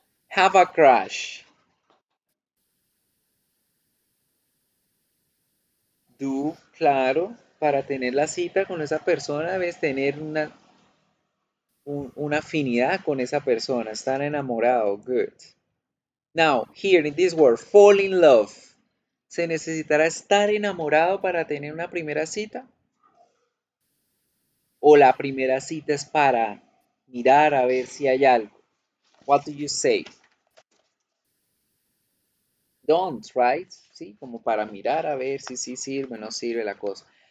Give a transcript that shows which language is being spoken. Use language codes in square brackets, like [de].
[en] Have a crush. [es] Do, claro, para tener la cita con esa persona debes tener una afinidad con esa persona, estar enamorado, good. [en] Now, here in this word, fall in love. [es] ¿Se necesitará estar enamorado para tener una primera cita? ¿O la primera cita es para mirar a ver si hay algo? [en] What do you say? Don't, right? [es] Sí, como para mirar a ver si sí sirve o no sirve la cosa.